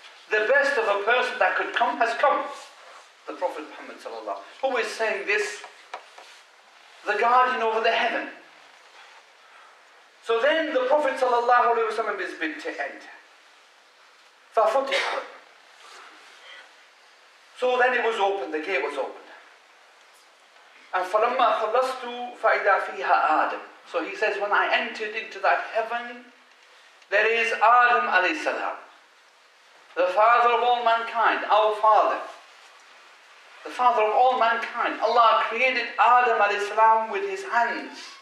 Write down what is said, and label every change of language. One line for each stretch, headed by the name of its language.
English: the best of a person that could come has come. The Prophet Muhammad sallallahu, who is saying this? The guardian over the heaven. So then the Prophet sallallahu alayhi wa sallam is bid to enter.
Arabic: فَفُتِحَ.
English: So then it was opened, the gate was opened.
Arabic: And فَلَمَّا خَلَّصْتُ فَإِذَا فِيهَا آدَمْ.
English: So he says, when I entered into that heaven, there is Adam alayhi salam, the father of all mankind, our father. The father of all mankind. Allah created Adam alayhi salam with his hands.